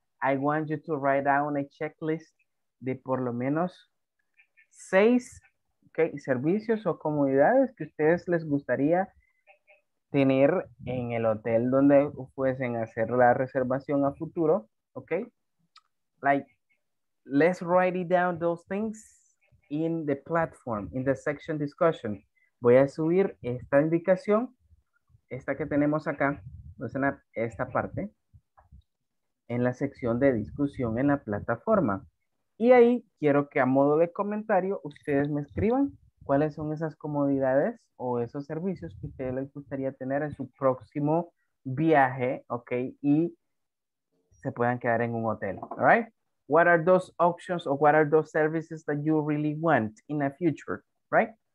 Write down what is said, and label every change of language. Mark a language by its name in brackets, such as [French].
[English] I want you to write down a checklist [Spanish] de por lo menos seis, okay, servicios o comodidades que ustedes les gustaría tener en el hotel donde fuesen a hacer la reservación a futuro, okay? [English] Like, let's write it down those things in the platform, in the section discussion. [Spanish] voy a subir esta indicación, esta que tenemos acá, esta parte, en la sección de discusión en la plataforma. Y ahí quiero que a modo de comentario ustedes me escriban cuáles son esas comodidades o esos servicios que ustedes les gustaría tener en su próximo viaje, ¿ok? Y se puedan quedar en un hotel, ¿all right? [English] What are those options or what are those services that you really want in the future, right?